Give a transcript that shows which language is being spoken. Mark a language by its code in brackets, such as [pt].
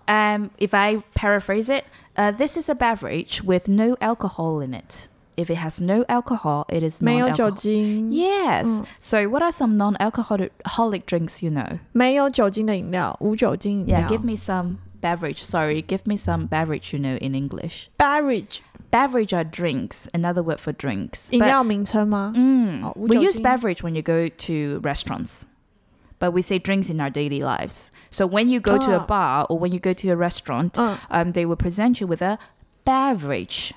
[en] If I paraphrase it, this is a beverage with no alcohol in it. If it has no alcohol, it is non-alcoholic. [zh] 没有酒精. [en] Yes. So what are some non-alcoholic drinks you know? [zh] 没有酒精的饮料, 无酒精饮料. [en] Yeah, give me some beverage. Sorry, give me some beverage you know in English. Beverage. Beverage are drinks, another word for drinks. [zh] 饮料名称吗? [en] We use beverage when you go to restaurants. But we say drinks in our daily lives. So when you go to a bar or when you go to a restaurant, they will present you with a Beverage.